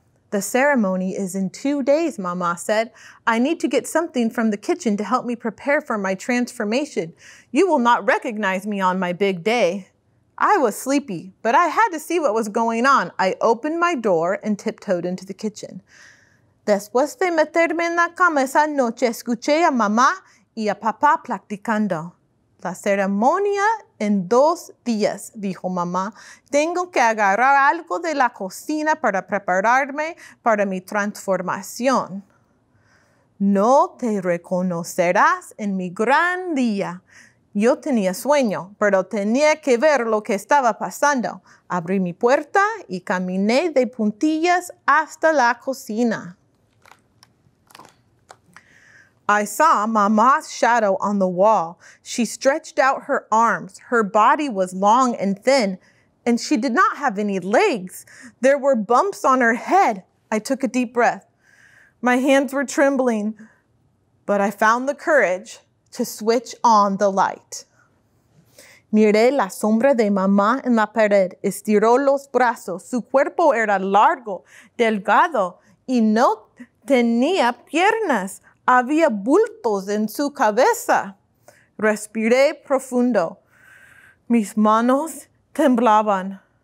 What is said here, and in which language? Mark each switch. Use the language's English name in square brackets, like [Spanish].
[English] The ceremony is in 2 days, Mama said. I need to get something from the kitchen to help me prepare for my transformation. You will not recognize me on my big day. I was sleepy, but I had to see what was going on. I opened my door and tiptoed into the kitchen. [Spanish] Después de meterme en la cama esa noche, escuché a Mama y a Papa platicando. La ceremonia en 2 días, dijo mamá. Tengo que agarrar algo de la cocina para prepararme para mi transformación. No te reconocerás en mi gran día. Yo tenía sueño, pero tenía que ver lo que estaba pasando. Abrí mi puerta y caminé de puntillas hasta la cocina. [English] I saw Mama's shadow on the wall. She stretched out her arms. Her body was long and thin, and she did not have any legs. There were bumps on her head. I took a deep breath. My hands were trembling, but I found the courage to switch on the light. [Spanish] Miré la sombra de Mamá en la pared. Estiró los brazos. Su cuerpo era largo, delgado, y no tenía piernas. Había bultos en su cabeza. Respiré profundo. Mis manos temblaban.